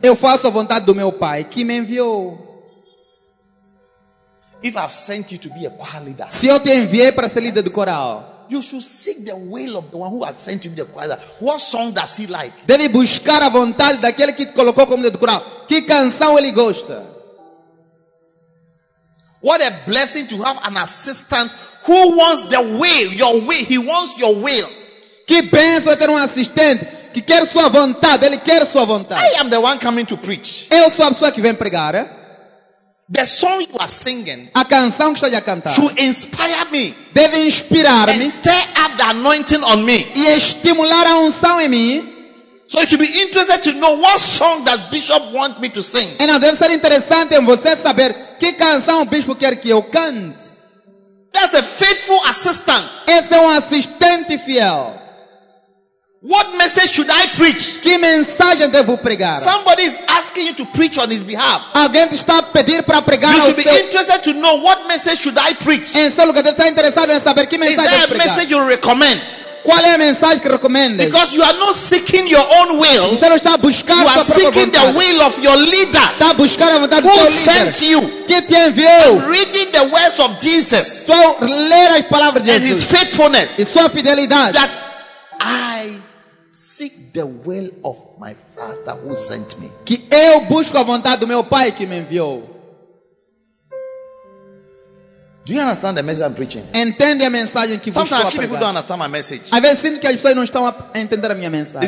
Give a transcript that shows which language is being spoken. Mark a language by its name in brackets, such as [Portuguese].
[Portuguese] Eu faço a vontade do meu Pai que me enviou. [English] If I've sent you to be a choir leader, [Portuguese] se eu te enviei para ser líder do coral, [English] you should seek the will of the one who has sent you to be a choir leader. What song does he like? [Portuguese] Deve buscar a vontade daquele que te colocou como líder do coral. Que canção ele gosta? [English] What a blessing to have an assistant who wants the will, your will. He wants your will. [Portuguese] Que bênção ter um assistente. Que quer sua vontade, ele quer sua vontade. [English] I am the one coming to preach. [Portuguese] Eu sou a pessoa que vem pregar. Eh? [English] The song you are singing, [Portuguese] a canção que estou a cantar, [English] should inspire me. [Portuguese] Deve inspirar-me. [English] And stir up the anointing on me. [Portuguese] E estimular a unção em mim. [English] So you should be interested to know what song that bishop want me to sing. [Portuguese] E não deve ser interessante em você saber que canção o bispo quer que eu cante. [English] That's a faithful assistant. [Portuguese] Esse é um assistente fiel. [English] What message should I preach? [Portuguese] Que mensagem devo pregar? [English] Somebody is asking you to preach on his behalf. [Portuguese] Alguém está a pedir para pregar. [English] You should be interested to know what message should I preach. [Portuguese] Em seu lugar, deve estar interessado em saber que mensagem devo pregar. [English] Is there a message you recommend? [Portuguese] Qual é a mensagem que recomendas? [English] Because you are not seeking your own will. [Portuguese] Você não está a buscar a sua própria vontade. [English] You are seeking the will of your leader. [Portuguese] Está a buscar a vontade do seu líder. [English] Who sent you? [Portuguese] Que te enviou? [English] I'm reading the words of Jesus. [Portuguese] Estou a ler as palavras de Jesus. [English] And his faithfulness. [Portuguese] E sua fidelidade. [English] That I seek the will of my Father who sent me. [Portuguese] Que eu busco a vontade do meu Pai que me enviou. [English] Do you understand the message I'm preaching? [Portuguese] Entende a mensagem que [English] sometimes [Portuguese] vou estou a pregar. [English] People don't understand my message. [Portuguese] Às vezes sinto que as pessoas não estão a entender a minha mensagem.